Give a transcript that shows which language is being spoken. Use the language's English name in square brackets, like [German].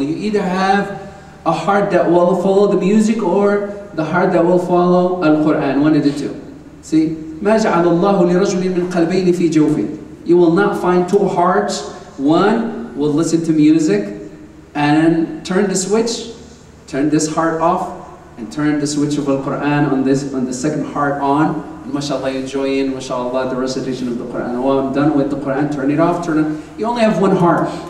[English] You either have a heart that will follow the music or the heart that will follow Al-Quran, one of the two. [Arabic] See, مَا جَعَلَ اللَّهُ لِرَجُلٍ مِنْ قَلْبَيْنِ فِي جَوْفٍ. [English] You will not find two hearts. One will listen to music and turn the switch, turn this heart off, and turn the switch of Al-Quran on the second heart on. MashaAllah, you enjoy in, MashaAllah, the recitation of the Quran. Oh, I'm done with the Quran, turn it off, turn it. You only have one heart.